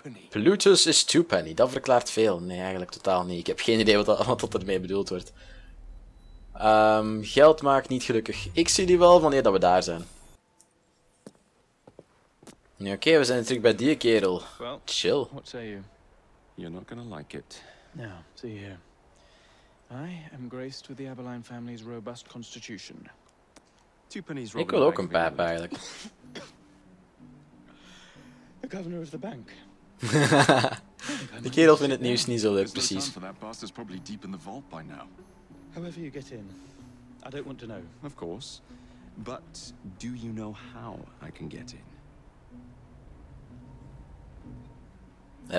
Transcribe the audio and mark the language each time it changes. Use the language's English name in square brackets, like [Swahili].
[Dutch] Plutus is twopenny, dat verklaart veel. Nee, eigenlijk totaal niet. Ik heb geen idee wat dat mee bedoeld wordt. Geld maakt niet gelukkig. Ik zie die wel wanneer dat we daar zijn. Oké, we zijn terug bij die kerel. Chill. Wat zeg je? Je zult het niet leuk. Nou, zie hier. [English] I am graced with the Abilene family's robust constitution. [Dutch] Twopenny's Robin. Ik wil ook een paar eigenlijk. [English] The governor of the bank. [Dutch] De kerel vindt het nieuws niet zo leuk, precies. [English] However you get in, I don't want to know. Of course, but do you know how I can get in?